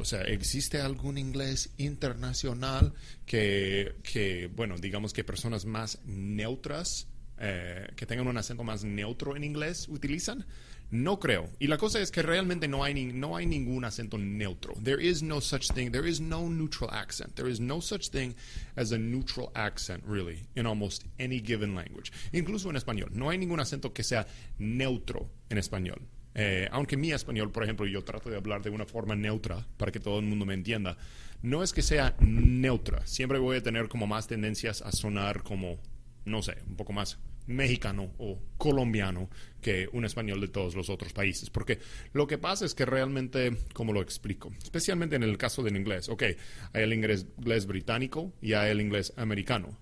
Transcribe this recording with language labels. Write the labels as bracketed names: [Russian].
[Spanish] O sea, ¿existe algún inglés internacional que bueno, digamos que personas más neutras, que tengan un acento más neutro en inglés, utilizan? No creo. Y la cosa es que realmente no hay ningún acento neutro. [English] There is no such thing. There is no neutral accent. There is no such thing as a neutral accent, really, in almost any given language. [Spanish] Incluso en español. No hay ningún acento que sea neutro en español. Aunque mi español, por ejemplo, yo trato de hablar de una forma neutra para que todo el mundo me entienda. No es que sea neutra. Siempre voy a tener como más tendencias a sonar como, no sé, un poco más mexicano o colombiano que un español de todos los otros países, porque lo que pasa es que realmente, como lo explico, especialmente en el caso del inglés, ok, hay el inglés británico y hay el inglés americano.